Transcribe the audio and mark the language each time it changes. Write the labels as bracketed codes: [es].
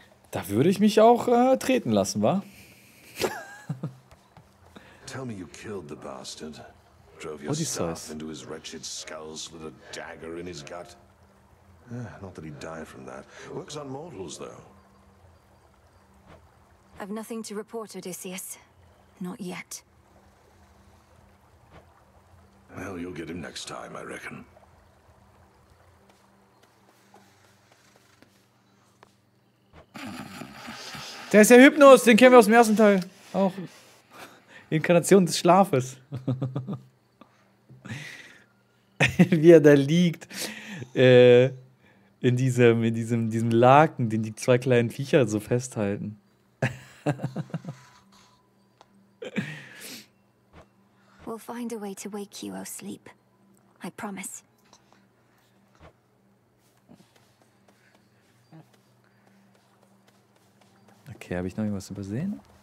[de] Da würde ich mich auch treten lassen, wa? [en] Tell me you killed the bastard. Drove your staff into his wretched skulls with a dagger in his gut. Not that he'd die from that. Works on mortals, though. I've nothing to report, Odysseus. Not yet. Well, you'll get him next time, I reckon. [de] Der ist ja Hypnos, den kennen wir aus dem ersten Teil. Auch Inkarnation des Schlafes. Wie er da liegt. In diesem Laken, den die zwei kleinen Viecher so festhalten. [en] We'll find a way to wake you, O sleep. I promise. [de] Okay, habe ich noch irgendwas übersehen?